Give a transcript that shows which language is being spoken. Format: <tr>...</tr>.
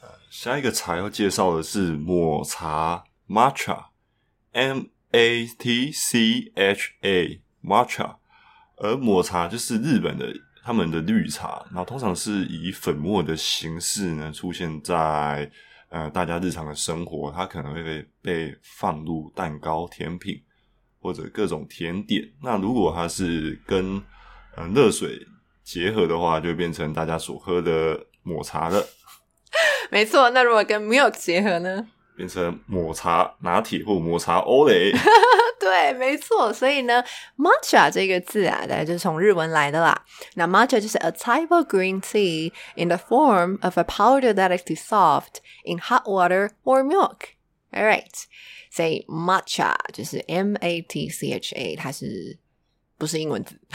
<zh>下一个茶要介绍的是抹茶 Matcha M-A-T-C-H-A Matcha， 而抹茶就是日本的他们的绿茶，然后通常是以粉末的形式呢出现在大家日常的生活，它可能会 被放入蛋糕甜品或者各种甜点，那如果它是跟热水结合的话，就变成大家所喝的抹茶了。没错，那如果跟 milk 结合呢，变成抹茶拿铁或抹茶欧蕾。对，没错。所以呢 Matcha 这个字啊，大概就是从日文来的啦。那 Matcha 就是</zh> <en>a type of green tea in the form of a powder that is dissolved in hot water or milk.</en> <zh>Alright, 所以 Matcha 就是 M-A-T-C-H-A， 它是不是英文字。</zh>